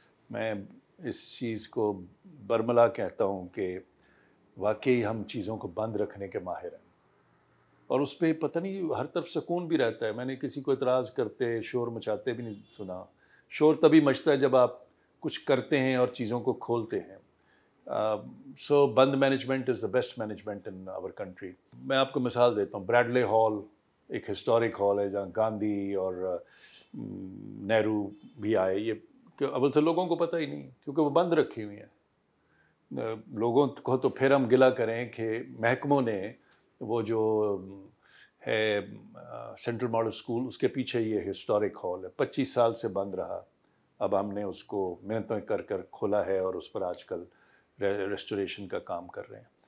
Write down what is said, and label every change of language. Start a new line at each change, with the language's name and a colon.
Urdu: میں اس چیز کو برملا کہتا ہوں کہ واقعی ہم چیزوں کو بند رکھنے کے ماہر ہیں, اور اس پہ پتہ نہیں ہر طرف سکون بھی رہتا ہے. میں نے کسی کو اعتراض کرتے شور مچاتے بھی نہیں سنا. شور تبھی مچتا ہے جب آپ کچھ کرتے ہیں اور چیزوں کو کھولتے ہیں.
English: So بند management is the best management in our country.
Urdu: میں آپ کو مثال دیتا ہوں, بریڈلے ہال ایک ہسٹورک ہال ہے جہاں گاندھی اور نہرو بھی آئے. یہ اول سے لوگوں کو پتہ ہی نہیں کیونکہ وہ بند رکھی ہوئی ہیں. لوگوں کو تو پھر ہم گلہ کریں کہ محکموں نے وہ جو ہے سینٹرل ماڈل اسکول اس کے پیچھے یہ ہسٹورک ہال ہے, 25 سال سے بند رہا, اب ہم نے اس کو محنتیں کر کر کھولا ہے اور اس پر آج کل ریسٹوریشن کا کام کر رہے ہیں.